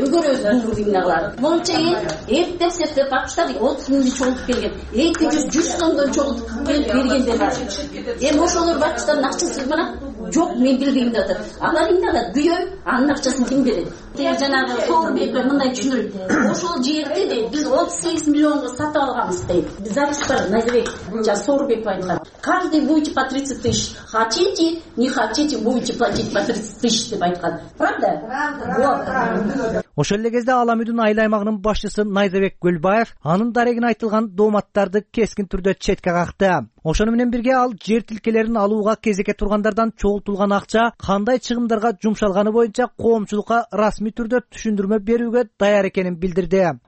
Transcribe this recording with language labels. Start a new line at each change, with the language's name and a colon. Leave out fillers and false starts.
Kyrgyz: Эми көрөбүз ГУВД эмне кылат. Болчу эл эптеп септеп акчтап 30,000 чогултуп келген 200-100 сомдон чогултуп келип бергендер бар. Эми ошолор бакчтардын акчасы мына жок, мен билбейм деп атат. Алар эмне кылат? Күйөө анын акчасын ким берет? Тиги жанагы Сооронбекке мындай түшүндүрүп, ошол жерди дейт, биз 38,000,000 сатып алганбыз дейт. Биз запись бар, Назирбек жана Сооронбек айткан. Каждый будет по 30,000.
Russian: Хотите, не хотите, будете платить по 30,000 деп айткан. Правда? Правда.
Kyrgyz: Ошол эле кезде Аламүдүн айыл аймагынын башчысы Найзабек Көлбаев анын дарегине айтылган дооматтарды кескин түрдө четке какты. Ошону менен бирге ал жер тилкелерин алууга кезеке тургандардан чогултулган акча кандай чыгымдарга жумшалганы боюнча коомчулукка расмий түрдө түшүндүрмө берүүгө даяр экенин билдирди.